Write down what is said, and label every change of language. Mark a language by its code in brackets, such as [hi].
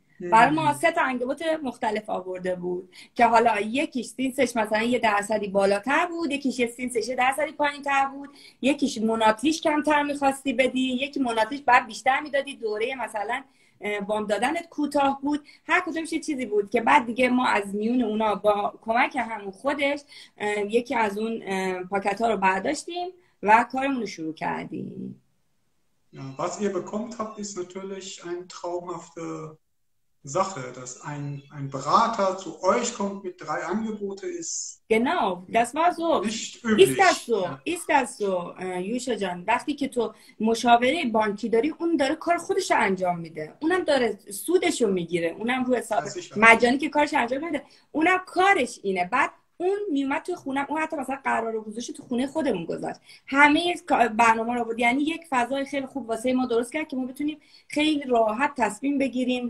[fa] برای ما، 3 تا انگبوت مختلف آورده بود که حالا یکیش سینسش مثلا 1% بالاتر بود، یکیش سینسش 1% پایین تر بود، یکیش مناطیش کمتر میخواستی بدی، یکی مناطیش بعد بیشتر میدادی، دوره مثلا وام دادنت کوتاه بود، هر کدومش چیزی بود که بعد دیگه ما از میون اونا با کمک همون خودش یکی از اون پاکت ها رو برداشتیم و کارمون رو شروع کردیم. [de] Was ihr bekommt habt ist natürlich ein traumhafter Sache, dass ein Berater zu euch kommt mit 3 Angebote ist. Genau, das war so. Nicht üblich. Ist das so? Ja. Ist das so, Yusha Jan? [fa] وقتی که تو مشاوره بانکی داری، اون داره کار خودش رو انجام میده. اونم داره سودش رو میگیره. اونم رو حساب مجانی که کارش انجام میده. اونم کارش اینه. بعد اون میومد تو خونه، اون حتی مثلا قرار گذاشت تو خونه خودمون گذاشت، همه برنامه رو بود، یعنی یک فضای خیلی خوب واسه ما درست کرد که ما بتونیم خیلی راحت تصمیم بگیریم.